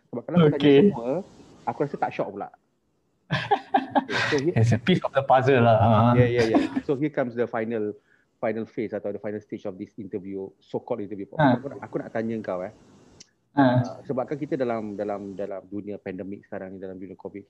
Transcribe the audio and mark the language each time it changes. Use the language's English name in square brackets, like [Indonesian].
[Malay] Sebab kalau aku tanya semua, aku rasa tak shock pula. [English] Okay, so it's a piece of the puzzle lah. So here comes the final phase atau the final stage of this interview, so-called interview. [Malay] Aku nak tanya kau sebab kan kita dalam dunia pandemik sekarang ni, dalam dunia COVID.